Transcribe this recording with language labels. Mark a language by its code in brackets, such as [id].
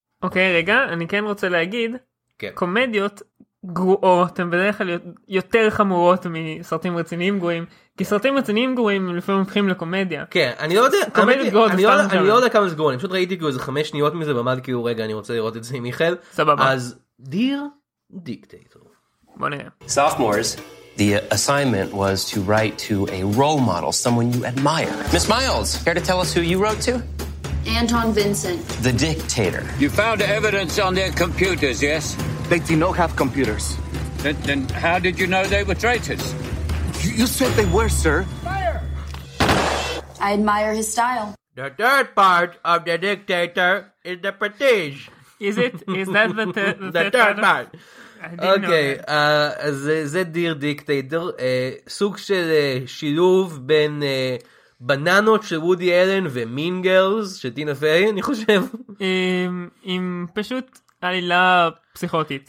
[he] אוקיי, רגע, אני כן רוצה להגיד, קומדיות גרועות הן בדרך כלל יותר חמורות מסרטים רציניים גרועים, כי סרטים רציניים גרועים לפעמים הופכים לקומדיה. כן, אני לא יודע כמה זה גרוע, אני פשוט ראיתי כאילו איזה 5 שניות מזה, ועמד כאילו, רגע, אני רוצה לראות את זה עם מיכל. סבבה. אז, Dear Dictator. בוא נראה. [en] Sophomores, the assignment was to write to a role model, someone you admire. Miss Miles, care to tell us who you wrote to? Anton Vincent. The dictator. You found evidence on their computers, yes? They do not have computers. Then how did you know they were traitors? You said they were, sir. Fire! I admire his style. The third part of the dictator is the prestige. Is it? Is that the third part? [he] אוקיי, זה דיר דיקטייטור, סוג של שילוב בין... בננות של וודי אלן ומין גרלס של טינה פיי, אני חושב. עם פשוט עלילה פסיכוטית.